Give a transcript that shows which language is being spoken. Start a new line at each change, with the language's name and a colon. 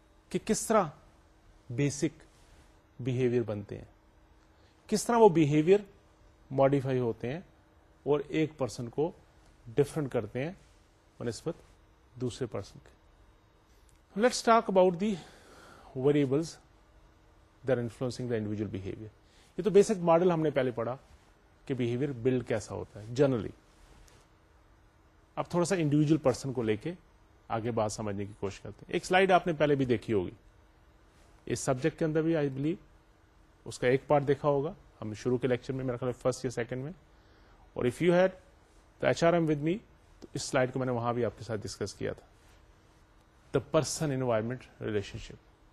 Urdu: کہ کس طرح بیسک بیہیویئر بنتے ہیں, کس طرح وہ بیہیویئر ماڈیفائی ہوتے ہیں اور ایک پرسن کو ڈفرنٹ کرتے ہیں بنسبت دوسرے پرسن کے.
English: Let's talk about the variables there influencing the individual behaviour.
Urdu: یہ تو بیسک ماڈل ہم نے پہلے پڑھا کہ بیہیویئر بلڈ کیسا ہوتا ہے جنرلی. اب تھوڑا سا انڈیویجل پرسن کو لے کے آگے بات سمجھنے کی کوشش کرتے ہیں. ایک سلائیڈ آپ نے پہلے بھی دیکھی ہوگی اس سبجیکٹ کے اندر بھی,
English: I believe
Urdu: اس کا ایک پارٹ دیکھا ہوگا ہم شروع کے لیکچر میں میرا خیال ہے فرسٹ یا سیکنڈ میں, اور
English: if you had the H R M with me
Urdu: تو اس سلائیڈ کو میں نے وہاں بھی آپ کے ساتھ ڈسکس کیا تھا,
English: The person environment relationship.